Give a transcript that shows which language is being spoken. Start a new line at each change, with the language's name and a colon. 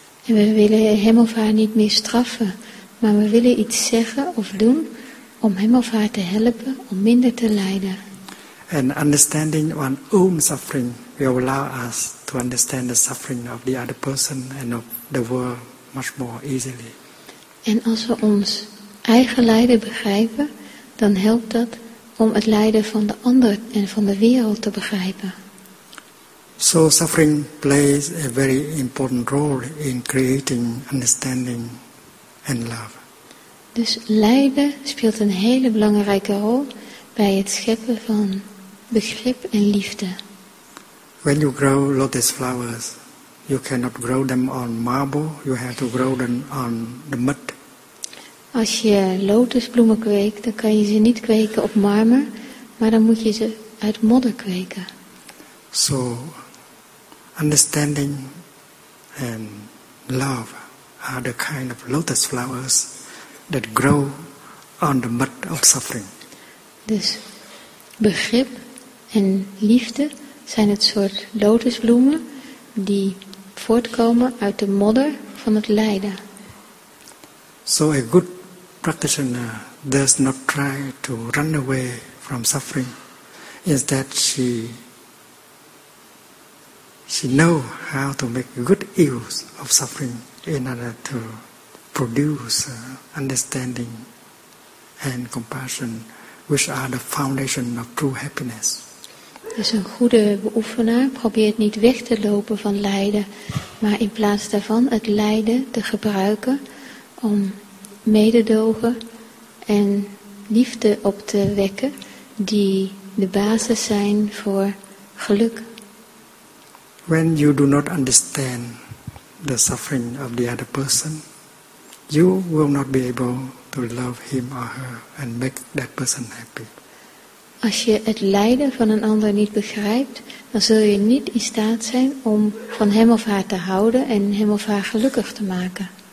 Dutch: En we willen hem of haar niet meer straffen, maar we willen iets zeggen of doen om hem of haar te helpen om minder te lijden.
English: And understanding our own suffering will allow us to understand the suffering of the other person and of the world much more easily.
Dutch: En als we ons eigen lijden begrijpen, dan helpt dat om het lijden van de ander en van de wereld te begrijpen.
English: So suffering plays a very important role in creating understanding and love.
Dutch: Dus lijden speelt een hele belangrijke rol bij het scheppen van begrip en liefde.
English: When you grow lotus flowers, you cannot grow them on marble, you have to grow them on the mud.
Dutch: Als je lotusbloemen kweekt, dan kan je ze niet kweken op marmer, maar dan moet je ze uit modder kweken.
English: So, understanding and love are the kind of lotus flowers that grow on the mud of suffering.
Dutch: Dus begrip en liefde zijn het soort lotusbloemen die voortkomen uit de modder van het lijden.
English: So a good practitioner does not try to run away from suffering. Instead, she knows how to make good use of suffering in order to produce understanding and compassion, which are the foundation of true happiness.
Dutch: Dus een goede beoefenaar probeert niet weg te lopen van lijden, maar in plaats daarvan het lijden te gebruiken om mededogen en liefde op te wekken die de basis zijn voor geluk.
English: When you do not understand the suffering of the other person, you will not be able to love him or her and make that person happy.
Dutch: Als je het lijden van een ander niet begrijpt, dan zul je niet in staat zijn om van hem of haar te houden en hem of haar gelukkig te maken.